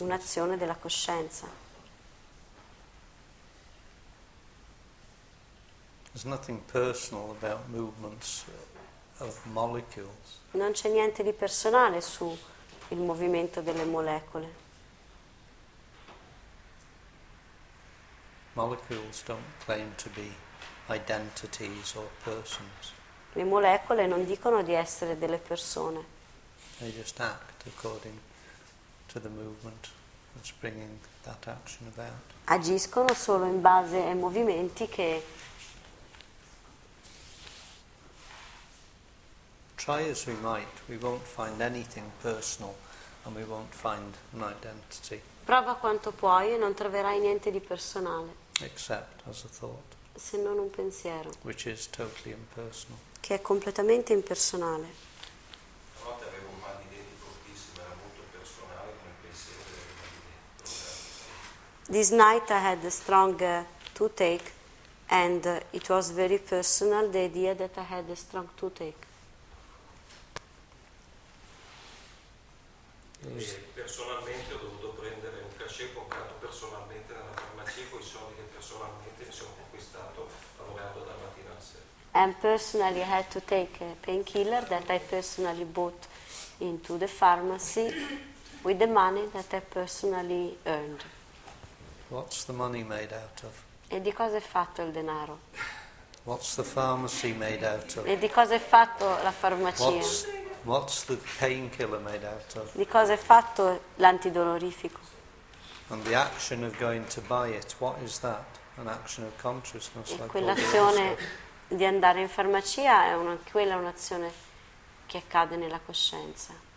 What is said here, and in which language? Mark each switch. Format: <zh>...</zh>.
<it>Un'azione della coscienza.</it> <en>There's nothing personal about movements of molecules.</en> <it>Non c'è niente di personale su il movimento delle molecole.</it> <en>Molecules don't claim to be identities or persons.</en> <it>Le molecole non dicono di essere delle persone.</it> <en>They just act according to the movement that's bringing that action about.</en> <it>Agiscono solo in base ai movimenti che.</it> <en>Try as we might, we won't find anything personal, and we won't find an identity.</en> <it>Prova quanto puoi e non troverai niente di personale.</it> <en>Except as a thought.</en> <it>Se non un pensiero,</it> <en>which is totally impersonal.</en> <it>Che è completamente impersonale. Una volta avevo un mal di denti fortissimo, era molto personale come pensiero del mal di denti.</it> <en>This night I had a strong toothache, and it was very personal, the idea that I had a strong toothache.</en> <it>personalmente ho dovuto prendere un cachet comprato personalmente nella farmacia con i soldi che personalmente mi sono conquistato lavorando dalla mattina a sera.</it> <en>And personally I had to take a painkiller that I personally bought into the pharmacy with the money that I personally earned. What's the money made out of?</en> <it>E di cosa è fatto il denaro?</it> <en>What's the pharmacy made out of?</en> <it>E di cosa è fatto la farmacia?</it> <en>What's the painkiller made out of?</en> <it>Di cosa è fatto l'antidolorifico?</it> <en>And the action of going to buy it, what is that? An action of consciousness.</en> <it>E quell'azione di andare in farmacia è una, quella è un'azione che accade nella coscienza.</it>